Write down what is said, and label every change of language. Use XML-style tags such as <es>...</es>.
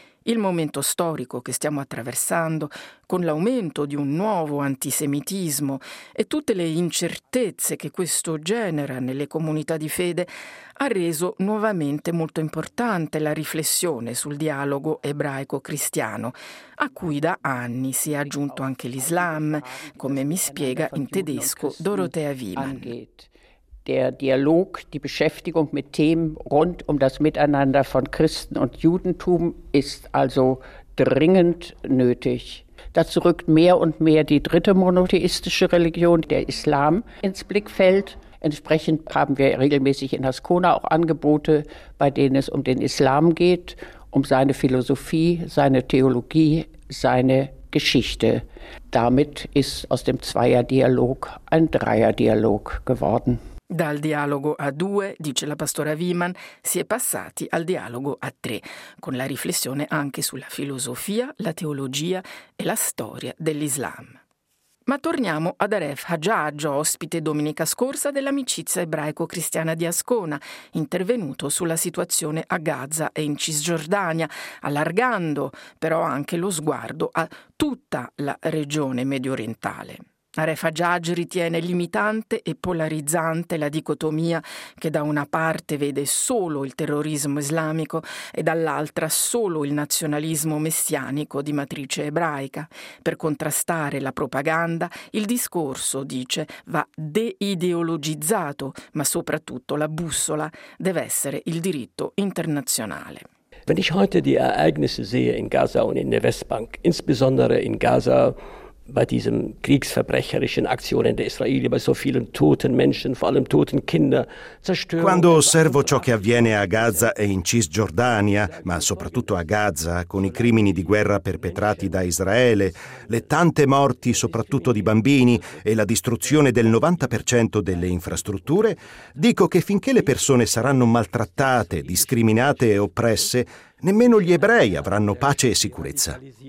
<it>Il momento storico che stiamo attraversando, con l'aumento di un nuovo antisemitismo e tutte le incertezze che questo genera nelle comunità di fede, ha reso nuovamente molto importante la riflessione sul dialogo ebraico-cristiano, a cui da anni si è aggiunto anche l'Islam, come mi spiega in tedesco Dorothea Wiman.</it> <de>Der Dialog, die Beschäftigung mit Themen rund das Miteinander von Christen und Judentum ist also dringend nötig. Dazu rückt mehr und mehr die dritte monotheistische Religion, der Islam, ins Blickfeld. Entsprechend haben wir regelmäßig in Ascona auch Angebote, bei denen es den Islam geht, seine Philosophie, seine Theologie, seine Geschichte. Damit ist aus dem Zweierdialog ein Dreierdialog geworden.</de> <it>Dal dialogo a due, dice la pastora Wiman, si è passati al dialogo a tre, con la riflessione anche sulla filosofia, la teologia e la storia dell'Islam. Ma torniamo ad Aref Hajjaj, ospite domenica scorsa dell'Amicizia Ebraico-Cristiana di Ascona, intervenuto sulla situazione a Gaza e in Cisgiordania, allargando però anche lo sguardo a tutta la regione medio orientale. Aref Hajjaj ritiene limitante e polarizzante la dicotomia che da una parte vede solo il terrorismo islamico e dall'altra solo il nazionalismo messianico di matrice ebraica. Per contrastare la propaganda, il discorso, dice, va deideologizzato, ma soprattutto la bussola deve essere il diritto internazionale.</it> <de>Wenn ich heute die Ereignisse sehe in Gaza und in der Westbank, insbesondere in Gaza, bei diesen kriegsverbrecherischen Aktionen der Israeli, bei so vielen toten Menschen, vor allem toten Kinder, Zerstörung.</de> <it>Quando osservo ciò che avviene a Gaza e in Cisgiordania, ma soprattutto a Gaza, con i crimini di guerra perpetrati da Israele, le tante morti, soprattutto di bambini, e la distruzione del 90% delle infrastrutture, dico che finché le persone saranno maltrattate, discriminate e oppresse, nemmeno gli ebrei avranno pace e sicurezza.</it>